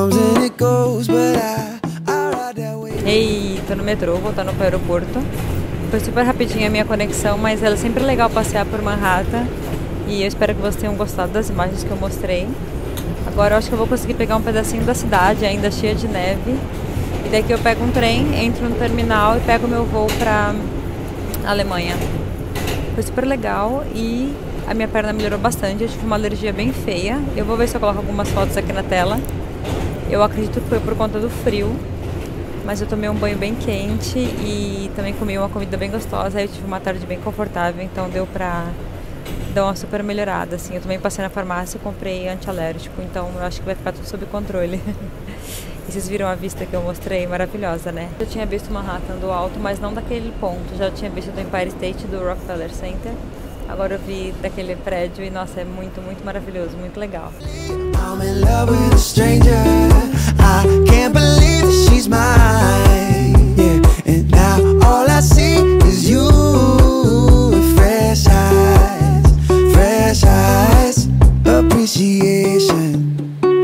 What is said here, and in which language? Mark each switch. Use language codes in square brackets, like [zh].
[en] comes and it goes, but I ride that way. [pt] Hey, tô no metrô, voltando pro aeroporto. Foi super rapidinho a minha conexão, mas era sempre legal passear por Manhattan. E eu espero que vocês tenham gostado das imagens que eu mostrei. Agora eu acho que eu vou conseguir pegar um pedacinho da cidade, ainda cheia de neve. E daqui eu pego um trem, entro no terminal e pego meu voo pra Alemanha. Foi super legal e a minha perna melhorou bastante, eu tive uma alergia bem feia. Eu vou ver se eu coloco algumas fotos aqui na tela. Eu acredito que foi por conta do frio. Mas eu tomei um banho bem quente e também comi uma comida bem gostosa. Aí eu tive uma tarde bem confortável, então deu pra dar uma super melhorada, assim. Eu também passei na farmácia e comprei antialérgico, então eu acho que vai ficar tudo sob controle. E vocês viram a vista que eu mostrei, maravilhosa, né? Eu tinha visto Manhattan do alto, mas não daquele ponto. Já tinha visto do Empire State, do Rockefeller Center. Agora eu vi daquele prédio e, nossa, é muito, muito maravilhoso, muito legal. [en] I'm in love with a stranger. I can't believe she's mine. Yeah. And now all I see is you with fresh eyes. Fresh eyes. Appreciation.